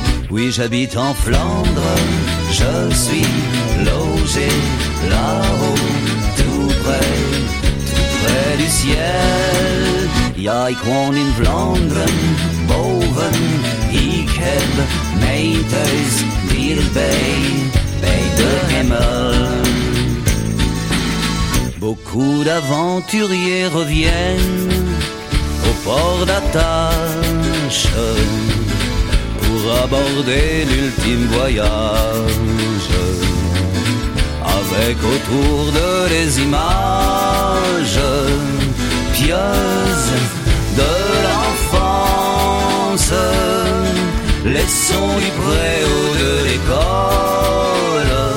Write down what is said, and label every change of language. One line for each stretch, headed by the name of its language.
French: Oui, j'habite en Flandre. Je suis logé là-haut, tout près du ciel.
Dutch: Ja, ik woon in Vlaanderen, boven ik heb mijn thuis dichtbij, bij de hemel.
French: Beaucoup d'aventuriers reviennent au port d'attache pour aborder l'ultime voyage, avec autour d'eux les images pieuses de l'enfance, les sons du préau de l'école.